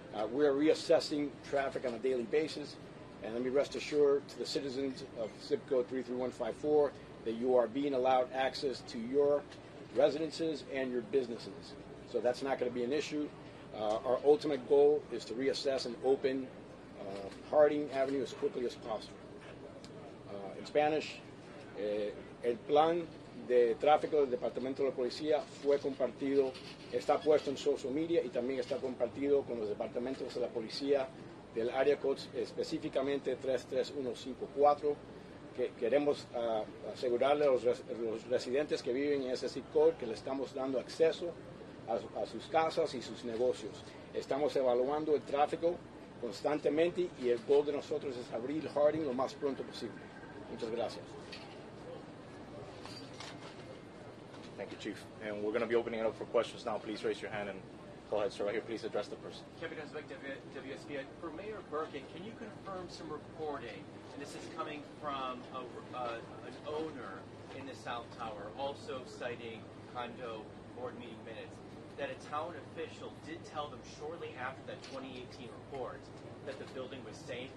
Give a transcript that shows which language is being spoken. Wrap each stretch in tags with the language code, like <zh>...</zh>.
<en>We're reassessing traffic on a daily basis, and let me rest assured to the citizens of zip code 33154 that you are being allowed access to your residences and your businesses. So that's not going to be an issue. Our ultimate goal is to reassess and open Harding Avenue as quickly as possible. In Spanish,</en> <es>el plan de tráfico del Departamento de la Policía fue compartido, está puesto en social media y también está compartido con los departamentos de la policía del área code específicamente 33154. Queremos asegurarle a los residentes que viven en ese zip code que le estamos dando acceso a sus casas y sus negocios. Estamos evaluando el tráfico constantemente y el goal de nosotros es abrir Harding lo más pronto posible. Muchas gracias.</es> <en>Thank you, Chief. And we're going to be opening it up for questions now. Please raise your hand and go ahead, sir, right here. Please address the person. Kevin Hesbeck, WSB. For Mayor Birkin, can you confirm some reporting? And this is coming from an owner in the South Tower, also citing condo board meeting minutes, that a town official did tell them shortly after that 2018 report that the building was safe.</en>